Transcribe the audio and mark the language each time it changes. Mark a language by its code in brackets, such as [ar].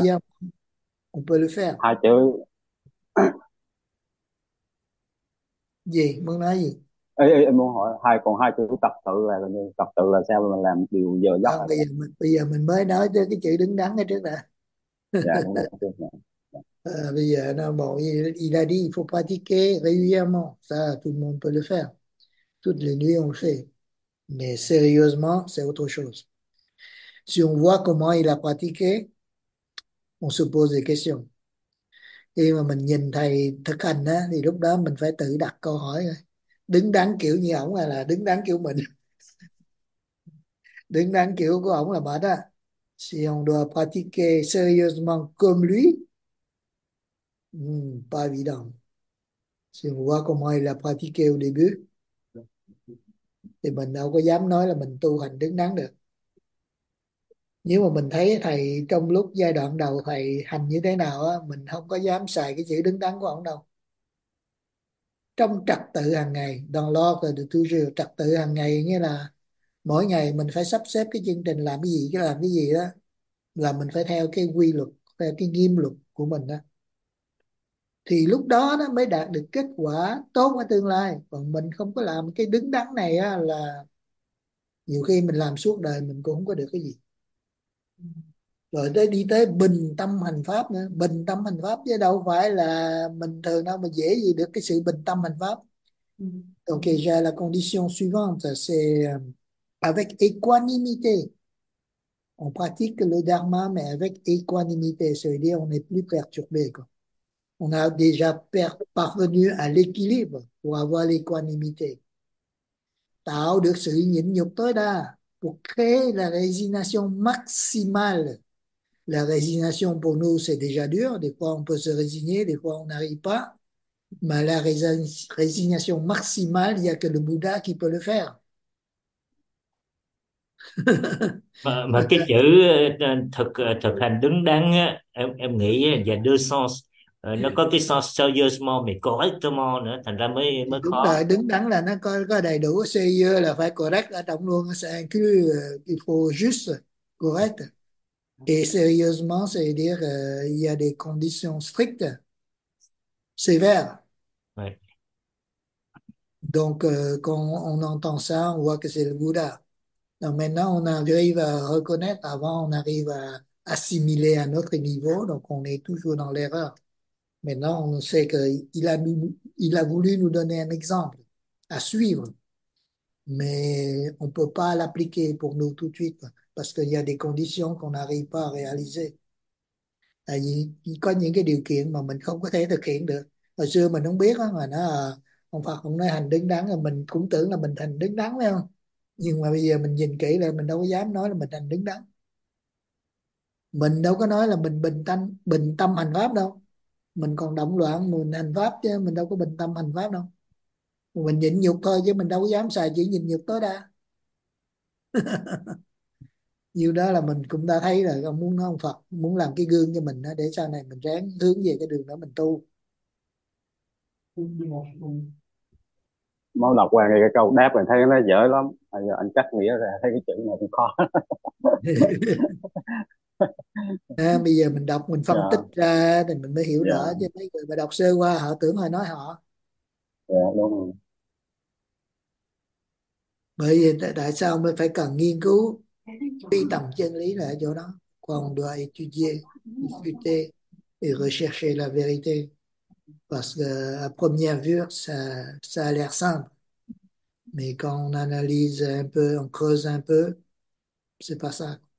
[fr] huyam, on peut le faire. [vi] hai chữ Gì? Muốn nói gì? em muốn hỏi hai còn hai chữ tập tự là gì, tập tự là sao mà mình làm điều giờ À, giấc hả bây giờ mình mới nói tới cái chữ đứng đắn ở trước dạ nè. đúng rồi đúng rồi. Bây giờ nó bảo [fr] il a dit il faut pratiquer régulièrement, ça tout le monde peut le faire, toutes les nuits on le fait, mais sérieusement c'est autre chose. Si on voit comment il a pratiqué, on se pose des questions. [vi] Khi mà mình nhìn thầy thực hành á thì lúc đó mình phải tự đặt câu hỏi rồi. Đứng đắn kiểu như ổng hay là đứng đắn kiểu mình? Đứng đắn kiểu của ổng là mệt á. [fr] Si on doit pratiquer sérieusement comme lui, pas évident. Si on voit comment il a pratiqué au début, [vi] thì mình đâu có dám nói là mình tu hành đứng đắn được. Nếu mà mình thấy thầy trong lúc giai đoạn đầu thầy hành như thế nào á, mình không có dám xài cái chữ đứng đắn của ông đâu. Trong trật tự hàng ngày, [fr] dans l'ordre de toujours, [vi] trật tự hàng ngày nghĩa là mỗi ngày mình phải sắp xếp cái chương trình làm cái gì, cái làm cái gì đó, là mình phải theo cái quy luật, theo cái nghiêm luật của mình đó. Thì lúc đó nó mới đạt được kết quả tốt ở tương lai. Còn mình không có làm cái đứng đắn này á, là nhiều khi mình làm suốt đời mình cũng không có được cái gì. Rồi tới đi tới bình tâm hành pháp nữa. Bình tâm hành pháp chứ đâu phải là mình thường đâu mà dễ gì được cái sự bình tâm hành pháp. [fr] Ok, j'ai la condition suivante, c'est avec équanimité. On pratique le dharma, mais avec équanimité, c'est-à-dire on n'est plus perturbé, quoi. On a déjà parvenu à l'équilibre pour avoir l'équanimité. [vi] Tạo được sự nhịn nhục tối đa [fr] pour créer la résignation maximale. La résignation pour nous, c'est déjà dur. Des fois, on peut se résigner, des fois, on n'arrive pas. Mais la résignation maximale, il n'y a que le Bouddha qui peut le faire. [vi] Mà cái chữ thực thực hành đứng đắn á, em nghĩ và đưa sens nó có cái sens serious mà [en] correct more [vi] nữa thành ra mới Thì mới đúng rồi, khó. đứng đắn là nó có đầy đủ seiyuu là phải correct ở trong luôn, [fr] c'est inclus, il faut juste correct. Et sérieusement, c'est dire il y a des conditions strictes, sévères. Donc quand on entend ça, on voit que c'est le Bouddha. Donc maintenant, on arrive à reconnaître, avant on arrive à assimiler à notre niveau, donc on est toujours dans l'erreur. Maintenant, on sait qu'il a voulu nous donner un exemple à suivre, mais on ne peut pas l'appliquer pour nous tout de suite parce qu'il y a des conditions qu'on n'arrive pas à réaliser. [vi] Il có những cái điều kiện mà mình không có thể thực hiện được. Hồi xưa mình không biết đó, mà nó ông Phật cũng nói hành đứng đắn rồi mình cũng tưởng là mình thành đứng đắn phải không? Nhưng mà bây giờ mình nhìn kỹ lại mình đâu có dám nói là mình thành đứng đắn. Mình đâu có nói là mình bình tâm hành pháp đâu. Mình còn động loạn mình hành pháp chứ mình đâu có bình tâm hành pháp đâu. Mình nhịn nhục thôi chứ mình đâu có dám xài chữ nhịn nhục tối đa. Nhiều đó là mình cũng đã thấy là ông muốn nói ông Phật muốn làm cái gương cho mình đó, để sau này mình ráng hướng về cái đường đó mình tu. Mới đọc qua nghe cái câu đáp này thấy nó dễ lắm. À giờ anh cắt nghĩa ra thấy cái này cũng À, bây giờ mình đọc mình phân tích khó. ra thì mình mới hiểu Dạ. rõ, chứ mấy người mà đọc sơ qua họ tưởng hồi nói họ Dạ đúng rồi. Bởi vì tại sao mới phải cần nghiên cứu quy tâm chân lý là ở chỗ đó. [fr] Còn doit étudier, discuter et rechercher la vérité. Parce qu'à première vue, ça a l'air simple. Mais quand on analyse un peu, on creuse un peu, c'est pas ça.